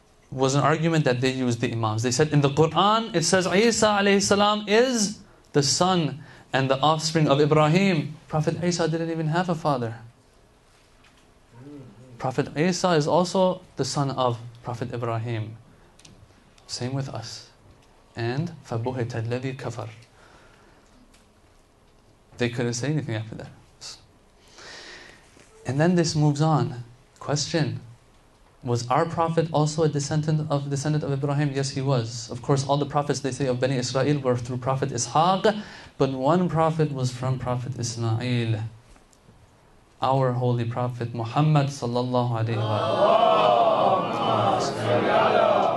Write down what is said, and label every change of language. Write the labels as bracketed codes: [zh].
[en] was an argument that they used, the Imams. They said, in the Quran, it says Isa alayhi salam is the son and the offspring of Ibrahim. Prophet Isa didn't even have a father. Prophet Isa is also the son of Prophet Ibrahim. Same with us. [ar] And فَبُهِتَ الَّذِي كَفَرْ. [en] They couldn't say anything after that. And then this moves on. Question. Was our Prophet also a descendant of Ibrahim? Yes, he was. Of course, all the Prophets, they say, of Bani Israel were through Prophet Ishaq. But one Prophet was from Prophet Ismail. Our Holy Prophet Muhammad sallallahu alayhi wa sallam.